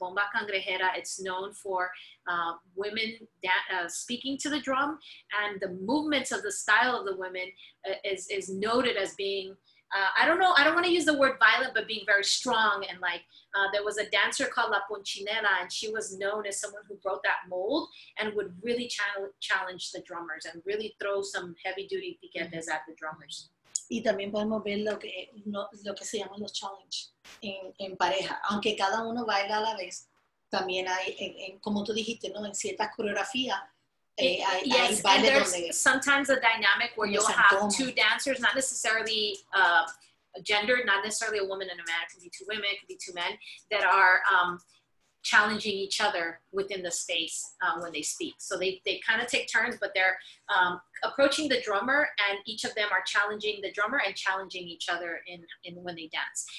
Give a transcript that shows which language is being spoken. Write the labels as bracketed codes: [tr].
[en] Bomba Cangrejera, it's known for women speaking to the drum, and the movements of the style of the women is noted as being, I don't want to use the word violent, but being very strong. And like, there was a dancer called La Ponchinela, and she was known as someone who broke that mold and would really challenge the drummers and really throw some heavy duty piquetes at the drummers. [es] Y también podemos ver lo que se llaman los challenge en pareja. Aunque cada uno baila a la vez, también hay, como tú dijiste, ¿no? En ciertas coreografías, [en] yes, [es] hay [en] and there's sometimes a dynamic where you'll have two dancers, not necessarily gendered, not necessarily a woman and a man, it could be two women, it could be two men, that are challenging each other within the space when they speak. So they kind of take turns, but they're approaching the drummer, and each of them are challenging the drummer and challenging each other in when they dance.